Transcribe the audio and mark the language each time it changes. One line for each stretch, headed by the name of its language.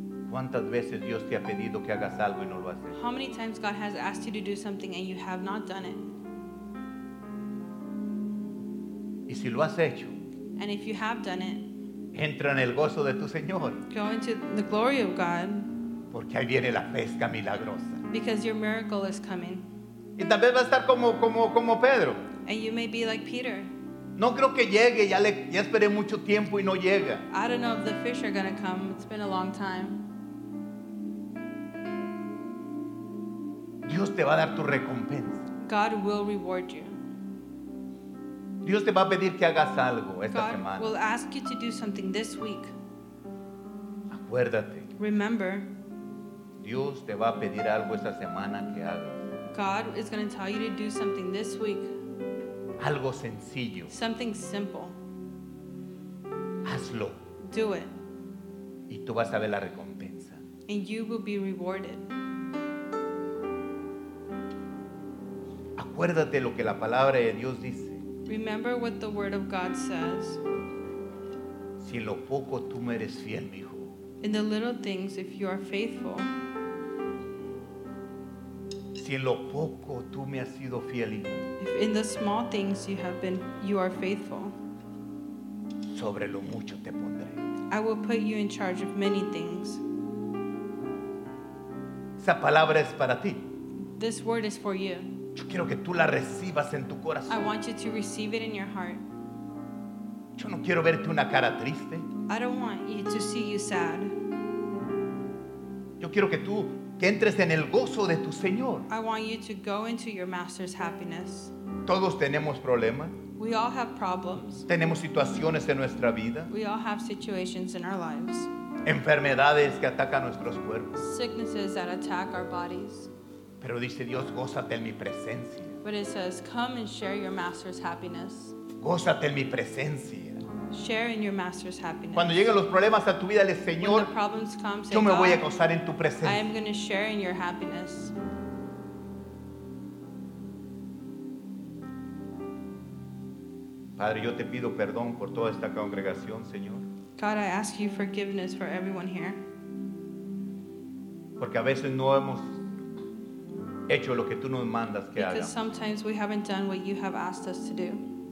Spanish: ¿Cuántas veces Dios te ha pedido que hagas algo y no lo has hecho?
English: How many times God has asked you to do something and you have not done it?
Spanish: Y si lo has hecho,
English: and if you have done it,
Spanish: entra en el gozo de tu Señor.
English: Go into the glory of God.
Spanish: Porque ahí viene la pesca milagrosa.
English: Because your miracle is coming.
Spanish: Y tal vez va a estar como Pedro.
English: And you may be like Peter.
Spanish: No creo que llegue, ya esperé mucho tiempo y no llega.
English: I don't know if the fish are going to come. It's been a long time.
Spanish: Dios te va a dar tu recompensa.
English: God will reward you.
Spanish: Dios te va a pedir que hagas algo esta
English: God
Spanish: semana.
English: God will ask you to do something this week.
Spanish: Acuérdate.
English: Remember.
Spanish: Dios te va a pedir algo esta semana que hagas.
English: God is going to tell you to do something this week.
Spanish: Algo sencillo.
English: Something simple.
Spanish: Hazlo.
English: Do it.
Spanish: Y tú vas a ver la recompensa.
English: And you will be rewarded.
Spanish: Acuérdate lo que la palabra de Dios dice.
English: Remember what the word of God says.
Spanish: Si en lo poco tú me eres fiel, mi hijo.
English: In the little things, if you are faithful.
Spanish: Si en lo poco tú me has sido fiel, hijo.
English: If in the small things you have been, you are faithful.
Spanish: Sobre lo mucho te pondré.
English: I will put you in charge of many things.
Spanish: Esa palabra es para ti.
English: This word is for you.
Spanish: Yo quiero que tú la recibas en tu corazón.
English: I want you to receive it in your heart.
Spanish: Yo no quiero verte una cara triste.
English: I don't want you to see you sad.
Spanish: Yo quiero que tú que entres en el gozo de tu Señor.
English: I want you to go into your master's happiness.
Spanish: Todos tenemos problemas.
English: We all have problems.
Spanish: Tenemos situaciones en nuestra vida.
English: We all have situations in our lives.
Spanish: Enfermedades que atacan nuestros cuerpos.
English: Sicknesses that attack our bodies.
Spanish: Pero dice Dios, gózate en mi presencia.
English: But it says, come and share your master's happiness.
Spanish: Gózate en mi presencia.
English: Share in your master's happiness.
Spanish: Cuando lleguen los problemas a tu vida, le Señor,
English: come,
Spanish: yo me
English: God,
Spanish: voy a gozar en tu presencia.
English: I am going to share in your happiness.
Spanish: Padre, yo te pido perdón por toda esta congregación, Señor.
English: God, I ask you forgiveness for everyone here.
Spanish: Porque a veces no hemos hecho lo que tú nos mandas que hagamos.
English: Because sometimes we haven't done what you have asked us to do.